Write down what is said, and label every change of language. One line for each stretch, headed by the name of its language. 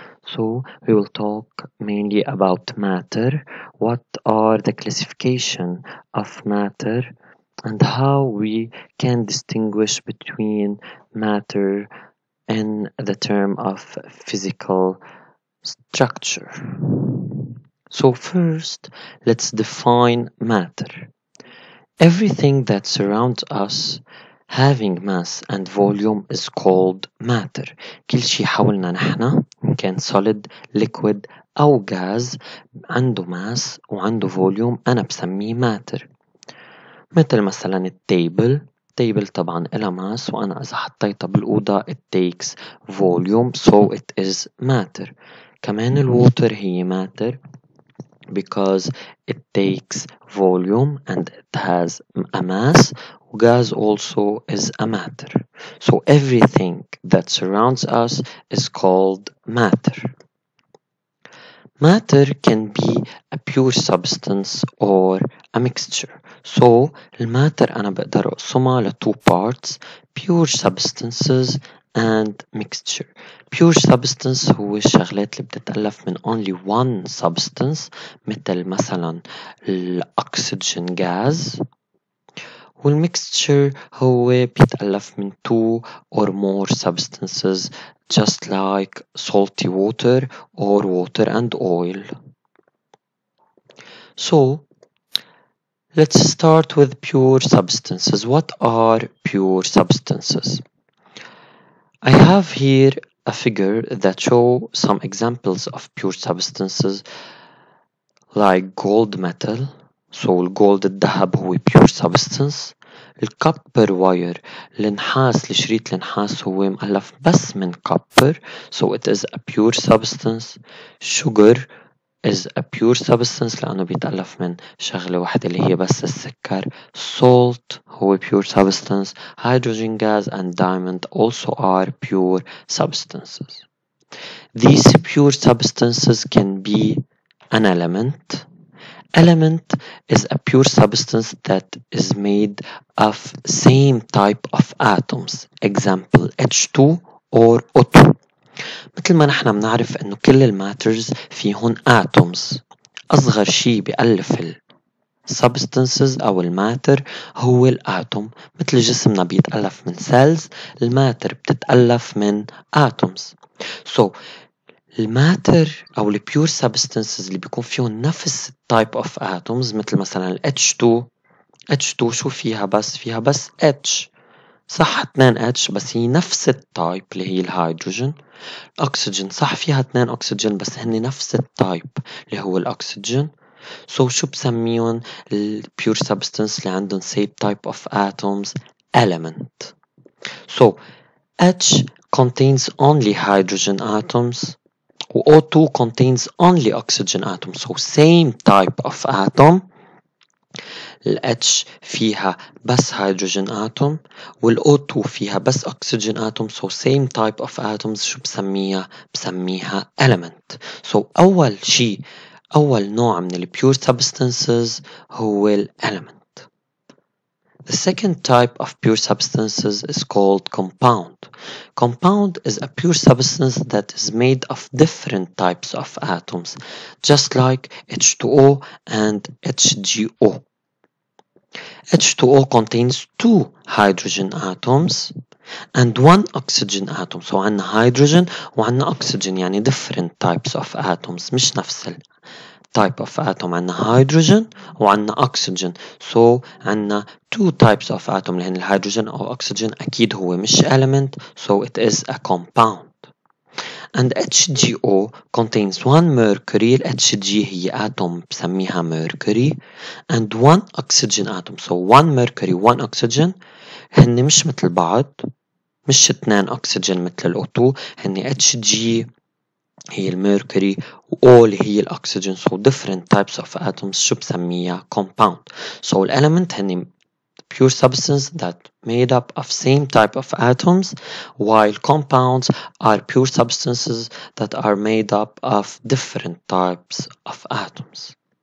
English: So we will talk mainly about matter, what are the classification of matter, and how we can distinguish between matter in the term of physical structure. So first, let's define matter. Everything that surrounds us having mass and volume is called matter.
Arabic: كل شيء حولنا نحنا كان solid, liquid أو gas عنده mass وعنده volume أنا بسميه matter. مثل مثلا التيبل، تيبل طبعا إلى ماس وأنا إذا حطيتها بالأوضة
English: it takes volume so it is matter.
Arabic: كمان الووتر هي
English: matter because it takes volume and it has a mass. Gas also is a matter. So everything that surrounds us is called matter. Matter can be a pure substance or a mixture. So, matter
Arabic: أنا بقدر أقسمها ل
English: two parts, pure substances and mixture.
Arabic: Pure substance هو الشغلات اللي بتتألف من
English: only one substance,
Arabic: مثل مثلا الأكسجين gas.
English: والmixture
Arabic: هو بيتألف من
English: two or more substances, just like salty water or water and oil. So, let's start with pure substances. What are pure substances? I have here a figure that shows some examples of pure substances like gold metal. So gold الذهب هو pure substance.
Arabic: الكوبر واير النحاس لشريط النحاس هو مألف بس من كوبر.
English: So it is a pure substance. Sugar is a pure substance
Arabic: لأنه بيتألف من شغلة واحدة اللي هي بس السكر.
English: Salt هو pure substance. Hydrogen gas and diamond also are pure substances. These pure substances can be an element. Element is a pure substance that is made of same type of atoms. Example H2 or O2.
Arabic: مثل ما نحن بنعرف انه كل الماترز فيهن اتومز، اصغر شيء بيألف السبستنسز او الماتر هو الاتوم. مثل جسمنا بيتألف من سيلز، الماتر بتتألف من اتومز. So الماتر او البيور سبستنسز اللي بيكون فيهن نفس التايب اوف اتومز، مثل مثلا ال H2 شو فيها؟ بس فيها بس H، صح 2H بس هي نفس التايب اللي هي الهيدروجين. الأكسجين صح فيها 2 أكسجين بس هني نفس التايب اللي هو الأكسجين. So شو بسميهم الـ pure substance اللي عندهم
English: same type of atoms
Arabic: element.
English: So H contains only hydrogen atoms و O2 contains only oxygen atoms. So same type of atom.
Arabic: الH فيها بس هيدروجين آتوم والO2 فيها بس أكسجين آتوم.
English: So same type of atoms
Arabic: شو بسميها؟ بسميها
English: element.
Arabic: So أول شيء، أول نوع من الـ pure substances هو الـ element.
English: The second type of pure substances is called compound. Compound is a pure substance that is made of different types of atoms, just like H2O and HGO. H2O contains two hydrogen atoms and one oxygen atom. So عنا hydrogen وعنا oxygen، يعني different types of atoms،
Arabic: مش نفس ال
English: type of atom.
Arabic: عنا hydrogen وعنا oxygen. So عنا
English: two types of atom،
Arabic: لأن الهيدروجين أو oxygen أكيد هو مش element.
English: So it is a compound. And HGO contains one mercury. HG هي atom بسميها mercury. And one oxygen atom. So one mercury, one oxygen.
Arabic: هني مش مثل بعض. مش اثنان oxygen مثل الO2. هني HG هي المركري و O هي الأكسجين.
English: So different types of atoms
Arabic: شو بسميها
English: compound. So الelement هني pure substance that made up of same type of atoms, while compounds are pure substances that are made up of different types of atoms.